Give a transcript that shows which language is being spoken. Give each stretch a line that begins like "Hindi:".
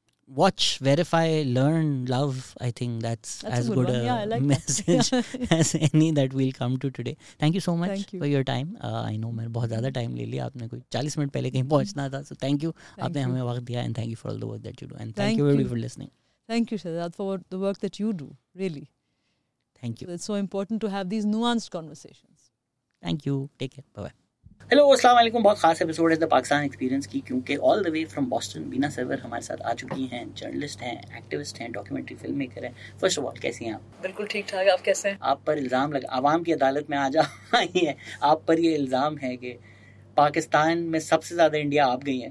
English: Watch, verify, learn, love. I think that's as good message as any that will come to today. Thank you so much for your time. I know
Urdu: میں بہت زیادہ time لے لیا, آپ نے کوئی 40 minute پہلے کہیں پہنچنا تھا,
English: so thank you,
Urdu: آپ نے ہمیں وقت دیا,
English: And thank you for all the work that you do, and thank you very for listening. Thank you, Shahzad, for the work that you do, really. Thank you. So it's so important to have these nuanced conversations. Thank you. Take care. Bye-bye.
Urdu: Hello, السلام علیکم. بہت خاص episode ہے دا Pakistan experience کی, کیونکہ
English: all the way from Boston
Urdu: بینا سرور ہمارے ساتھ آ چکی ہیں. جرنلسٹ ہیں, ایکٹیوسٹ ہیں, ڈاکیومنٹری فلم میکر ہیں.
English: first of all,
Urdu: کیسی ہیں آپ؟ بالکل ٹھیک ٹھاک, آپ کیسے ہیں؟ آپ پر الزام لگا, عوام کی عدالت میں آ جا رہی ہے, آپ پر یہ الزام ہے کہ پاکستان میں سب سے زیادہ انڈیا آپ گئی ہیں.